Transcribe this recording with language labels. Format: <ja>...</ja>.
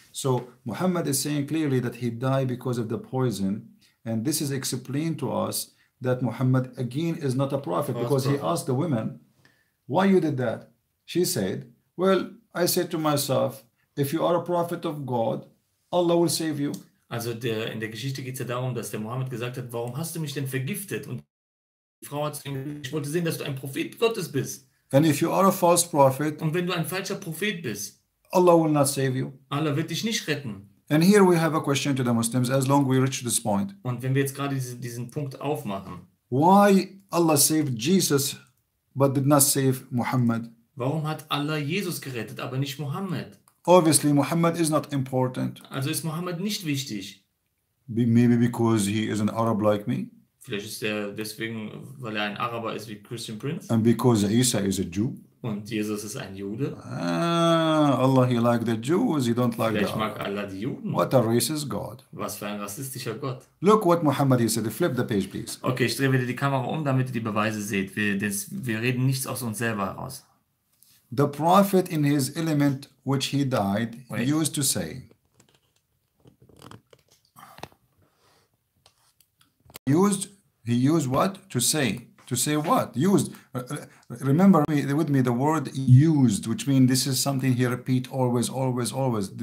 <en>So Muhammad is saying clearly that he died because of the poison. And this is explained to us that Muhammad, again, is not a prophet because he asked the women, why you did that? She said, well, I said to myself, if you are a prophet of God, Allah will save you.</en> <de>Also in der Geschichte geht es ja darum, dass der Muhammad gesagt hat, warum hast du mich denn vergiftet? Und die Frau hat zu ihm gesagt, ich wollte sehen, dass du ein Prophet Gottes bist.</de> <en>And if you are a false prophet,</en> <de>und wenn du ein falscher Prophet bist,</de> <en>Allah will not save you.</en> <de>Allah wird dich nicht retten.</de> <en>And here we have a question to the Muslims, as long we reach this point.</en> <de>Und wenn wir jetzt gerade diesen Punkt aufmachen.</de> <en>Why Allah saved Jesus, but did not save Muhammad?</en> <de>Warum hat Allah Jesus gerettet, aber nicht Muhammad?</de> <en>Obviously, Muhammad is not important.</en> <de>Also ist Muhammad nicht wichtig.</de> <en>Maybe because he is an Arab like me.</en> <de>Vielleicht ist er deswegen, weil er ein Araber ist wie Christian Prince.</de> <en>And because Isa is a Jew.</en> <de>Und Jesus ist ein Jude.</de> <en>Ah, Allah, he like the Jews, he don't like</en> <de>vielleicht</de> <en>the Arab.</en> <de>Mag Allah die Juden.</de> <en>What a racist God.</en> <de>Was für ein rassistischer Gott.</de> <en>Look what Muhammad he said. Flip the page, please.</en> <de>Okay, ich drehe wieder die Kamera um, damit ihr die Beweise seht. Wir reden nichts aus uns selber heraus.</de> <en>The prophet in his element, which he died, he used to say. He used what? To say. To say what? Used. Remember with me the word used, which means this is something he repeats always, always, always.</en>